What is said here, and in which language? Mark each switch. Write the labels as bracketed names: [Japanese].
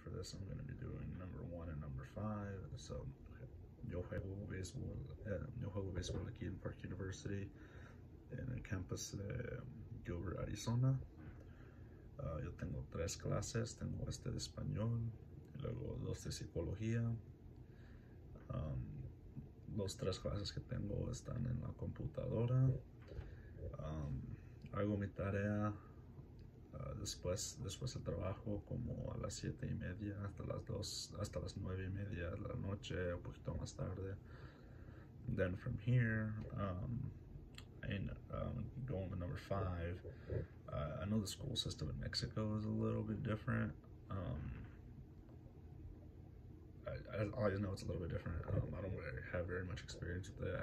[English] For this, I'm going to be doing number 1 and number 5. [Spanish] So, Yo juego baseball aquí en Park University, en el campus de Gilbert, Arizona. Yo tengo 3 clases. Tengo este de español, y luego 2 de psicología. Los 3 clases que tengo están en la computadora. Hago mi tarea después del trabajo, como a las 7:30 hasta las 2, hasta las 9:30 de la noche, un poquito más tarde. [English] Then from here, going to number 5, I know the school system in Mexico is a little bit different. I just know it's a little bit different. I don't really have very much experience with it.